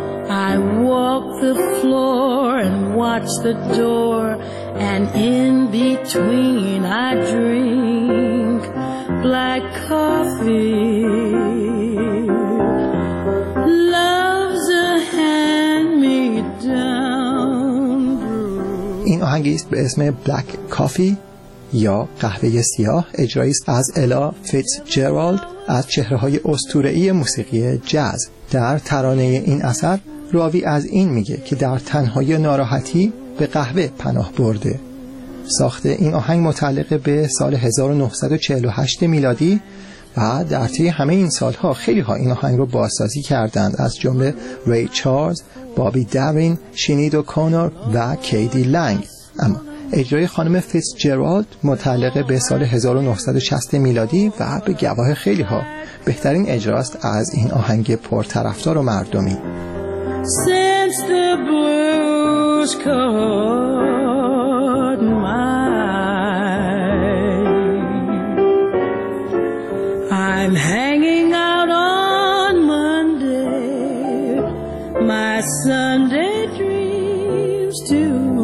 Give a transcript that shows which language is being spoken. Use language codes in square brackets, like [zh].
[en] I walk the floor and watch the door, and in between I drink black coffee. Love's a hand-me-down brew. [fa] این آهنگی است به اسم Black Coffee یا قهوه سیاه، اجرایی است از الا فیتزجرالد، از چهره‌های اسطوره‌ای موسیقی جاز. در ترانه این اثر راوی از این میگه که در تنهایی ناراحتی به قهوه پناه برده. ساخته این آهنگ متعلق به سال 1948 میلادی و در طی همه این سالها خیلی‌ها این آهنگ رو بازسازی کردند، از جمله ری چارلز، بابی دارین، شینید و کونر و کیدی لنگ. اما اجرای خانم فیتزجرالد متعلق به سال 1960 میلادی و به گواه خیلی ها بهترین اجراست از این آهنگ پرطرفدار و مردمی. [en] Since the blues caught my, I'm hanging out on Monday, my Sunday dreams too.